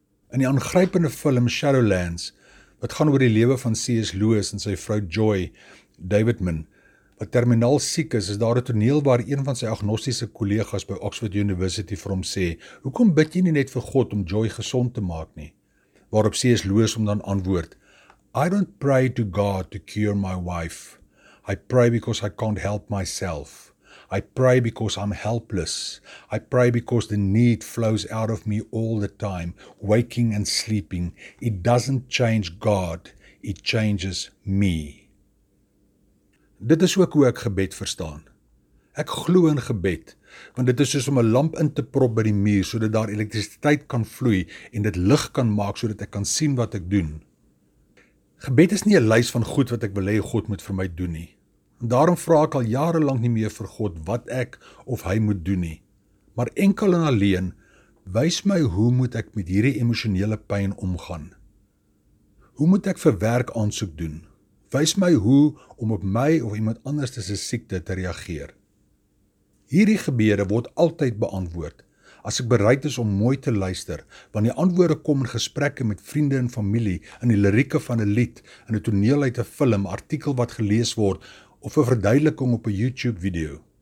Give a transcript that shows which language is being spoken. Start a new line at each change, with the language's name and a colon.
Afrikaans: In die aangrypende film Shadowlands, wat gaan oor die lewe van C.S. Lewis en sy vrou Joy Davidman, wat terminaal siek is, is daar 'n toneel waar een van sy agnostiese kollegas by Oxford University vir hom sê, hoekom bid jy nie net vir God om Joy gesond te maak nie? Waarop C.S.
English: Lewis
Afrikaans: om dan antwoord,
English: I don't pray to God to cure my wife. I pray because I can't help myself. I pray because I'm helpless. I pray because the need flows out of me all the time, waking and sleeping. It doesn't change God, it changes me.
Afrikaans: Dit is ook hoe ek gebed verstaan. Ek glo in gebed, want dit is soos om 'n lamp in te prop by die muur, sodat daar elektrisiteit kan vloei en dit lig kan maak, sodat ek kan sien wat ek doen. Gebed is nie 'n lys van goed wat ek wil hê God moet vir my doen nie. Daarom vra ek al jare lank nie meer vir God wat ek of hy moet doen nie. Maar enkel en alleen, wys my hoe moet ek met hierdie emosionele pyn omgaan? Hoe moet ek vir werk aansoek doen? Wys my hoe om op my of iemand anders se siekte te reageer. Hierdie gebede word altyd beantwoord, as ek bereid is om mooi te luister, want die antwoorde kom in gesprekke met vriende en familie, in die lirieke van 'n lied, in 'n toneel uit 'n film, artikel wat gelees word, of 'n verduideliking op 'n YouTube video.